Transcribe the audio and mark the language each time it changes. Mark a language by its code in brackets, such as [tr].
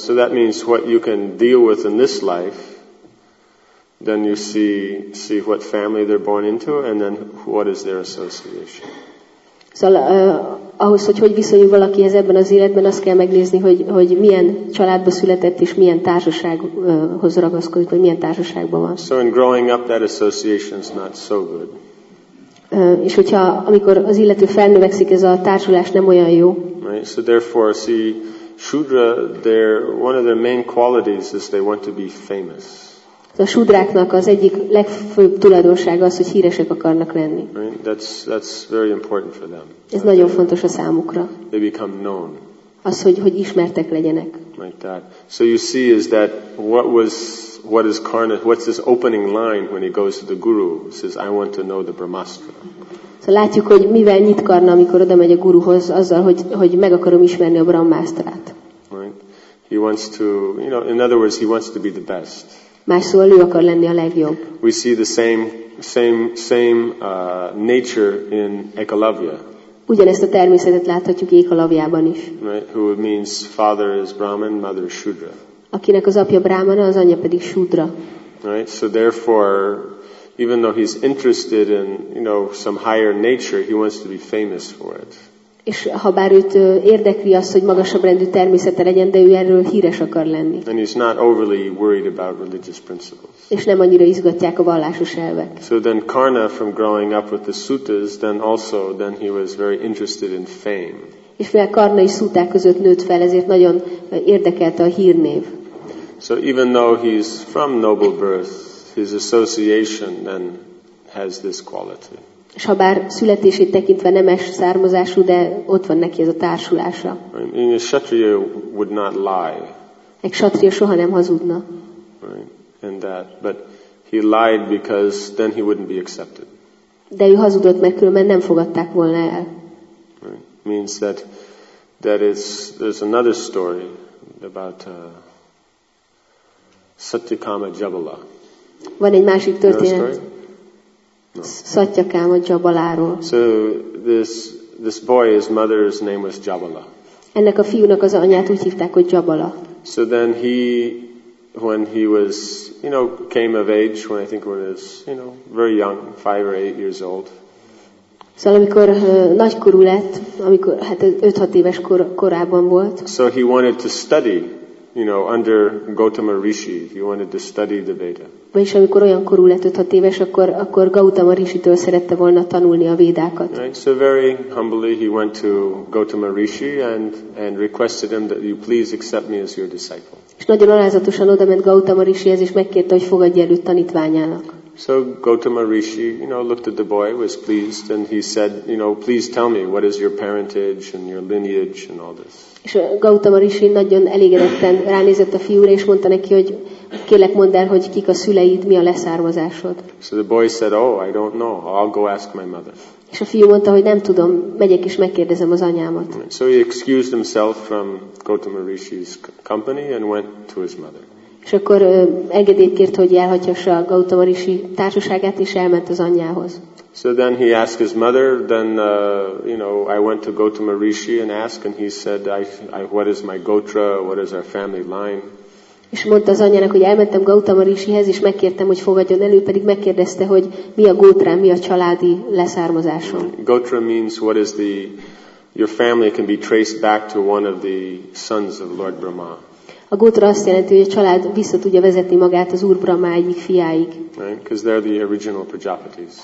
[en] So that means what you can deal with in this life, then you see what family they're born into, and then what is their association. [hu] Szóval, ahhoz, hogy viszonyul valaki ez ebben az életben, azt kell megnézni, hogy milyen családba született és milyen társasághoz ragaszkodik, vagy milyen társaságban van. [en] So in growing up, that association is not so good. [hu] És hogyha amikor az illető felnövekszik, ez a társulás nem olyan jó. [en] Right. So therefore, see, Shudra, their one of their main qualities is they want to be famous. [hu] A shudráknak az egyik legfőbb tulajdonsága az, hogy híresek akarnak lenni. [en] That's very important for them. [hu] Ez nagyon fontos a számukra. [en] They become known. [hu] Az, hogy ismertek legyenek. [en] Like that. So you see, is that what is Karna? What's his opening line when he goes to the guru? He says, "I want to know the Brahmastra." [hu] Szóval látjuk, hogy mivel nyit Karna, amikor oda megy a guruhoz, azzal, hogy meg akarom ismerni a Brahmastrát. [en] Right. He wants to, you know, in other words, he wants to be the best. [hu] Más szóval ő akar lenni a legjobb. [en] We see the same nature in Ekalavya. [hu] Ugyanezt a természetet láthatjuk Ekalavyában is. [en] Right. Who means father is Brahman, mother is Shudra. [hu] Akinek az apja Brahmana, az anyja pedig Shudra. [en] Right. So therefore, even though he's interested in, you know, some higher nature, he wants to be famous for it. [hu] És ha bár őt érdekli az, hogy magasabb rendű természete legyen, de ő erről híres akar lenni. [en] And he's not overly worried about religious principles. [hu] És nem annyira izgatják a vallásos elvek. [en] So then Karna, from growing up with the suttas, then he was very interested in fame. [hu] És mivel Karna is szuták között nőtt fel, ezért nagyon érdekelte a hírnév. [en] So even though he's from noble birth, his association then has this quality. [hu] És ha bár születését tekintve nemes származású, de ott van neki ez a társulása. [en] A kshatriya would not lie. [hu] Egy kshatriya soha nem hazudna. [en] Right. And that, but he lied because then he wouldn't be accepted. [hu] De ő hazudott, mert különben nem fogadták volna el. [en] Right. Means that is, there's another story about Satyakama Jabala. [hu] Van egy másik történet. No. Satyakama Jabaláról. [en] So this boy, his mother's name was Jabala. [hu] Ennek a fiúnak az anyját úgy hívták, hogy Jabala. [en] So then he, when he was, you know, came of age, when I think when he was, you know, very young, 5 or 8 years old. [hu] Szóval amikor nagykorú lett, amikor hát 5-6 éves korában volt. [en] So he wanted to study, you know, under Gautama Rishi. He wanted to study the Veda. [hu] Vagyis amikor olyan korú lett, 5-6 éves, akkor Gautama Rishitől szerette volna tanulni a védákat. [en] Right. So very humbly he went to Gautama Rishi and requested him that you please accept me as your disciple. [hu] És nagyon alázatosan odament Gautama Rishihez, és megkérte, hogy fogadja el őt tanítványának. [en] So Gautama Rishi, you know, looked at the boy, was pleased, and he said, you know, please tell me, what is your parentage and your lineage and all this. [hu] És Gautama Rishi nagyon elégedetten ránézett a fiúra, és mondta neki, hogy kérlek, mondd el, hogy kik a szüleid, mi a leszármazásod. [en] So the boy said, oh, I don't know, I'll go ask my mother. [hu] És a fiú mondta, hogy nem tudom, megyek és megkérdezem az anyámat. [en] So he excused himself from Gautama Rishi's company and went to his mother. [hu] És akkor engedélyt kért, hogy elhagyhassa a Gautama Rishi társaságát, és elment az anyjához. [en] So then he asked his mother, then, you know, I went to Gautama Rishi and asked, and he said, I what is my gotra, what is our family line? [hu] És mondta az anyjának, hogy elmentem Gautama Rishihez, és megkértem, hogy fogadjon elő, pedig megkérdezte, hogy mi a gótrám, mi a családi leszármazásom. [en] Gotra means what is the, your family can be traced back to one of the sons of Lord Brahma. [hu] A gótra azt jelenti, hogy a család vissza tudja vezetni magát az Úr Brahma egyik fiáig. [en] Right, because they're the original Prajapatis.